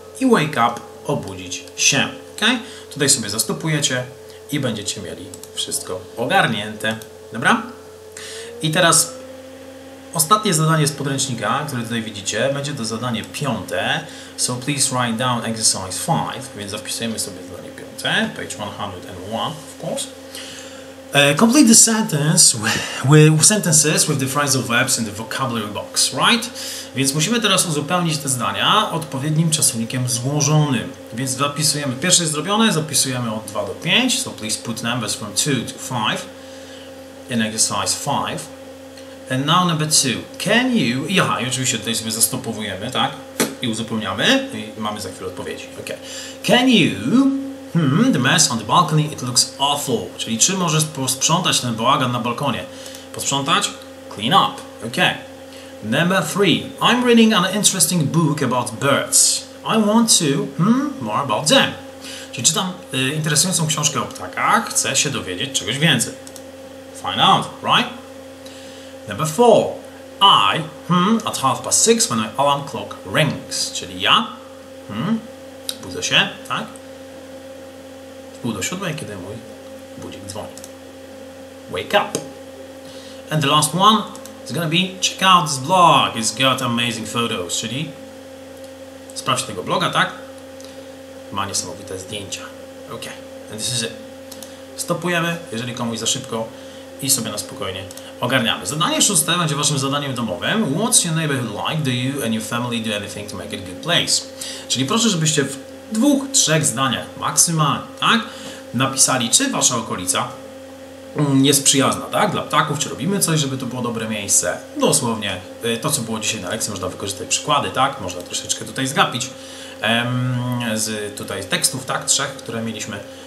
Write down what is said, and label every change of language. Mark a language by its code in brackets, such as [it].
[en] I wake up, [pl] obudzić się. Ok? Tutaj sobie zastopujecie i będziecie mieli wszystko ogarnięte. Dobra? I teraz ostatnie zadanie z podręcznika, które tutaj widzicie, będzie to zadanie piąte. [en] So please write down exercise 5. [pl] Więc zapisujemy sobie zadanie piąte. [en] Page 101, of course. Complete the sentence with sentences with the phrasal verbs in the vocabulary box, right? [pl] Więc musimy teraz uzupełnić te zdania odpowiednim czasownikiem złożonym. Więc zapisujemy, pierwsze jest zrobione, zapisujemy od 2 do 5. [en] So please put numbers from 2 to 5 in exercise 5. And now number 2. Can you... [pl] Aha, i oczywiście tutaj sobie zastopowujemy, tak? I uzupełniamy. I mamy za chwilę odpowiedzi. [en] Ok. Can you... the mess on the balcony, it looks awful. [pl] Czyli czy możesz posprzątać ten bałagan na balkonie? [en] Posprzątać? Clean up. Ok. Number 3. I'm reading an interesting book about birds. I want to... more about them. [pl] Czyli czytam interesującą książkę o ptakach. Chcę się dowiedzieć czegoś więcej. [en] Find out, right? Number 4. I... at 6:30 when my alarm clock rings. [pl] Czyli ja... budzę się, tak? Do 7, kiedy mój budzik dzwoni. [en] Wake up! And the last one is gonna be check out this blog, it's got amazing photos, [pl] czyli sprawdź tego bloga, tak? Ma niesamowite zdjęcia. [en] Ok, and this is it. [pl] Stopujemy, jeżeli komuś za szybko i sobie na spokojnie ogarniamy. Zadanie szóste będzie waszym zadaniem domowym. [en] What's your neighborhood like? Do you and your family do anything to make it a good place? [pl] Czyli proszę, żebyście w dwóch, trzech zdaniach maksymalnie, tak? Napisali, czy wasza okolica jest przyjazna, tak? Dla ptaków, czy robimy coś, żeby to było dobre miejsce? Dosłownie, to co było dzisiaj na lekcji, można wykorzystać przykłady, tak? Można troszeczkę tutaj zgapić z tutaj tekstów, tak? Trzech, które mieliśmy.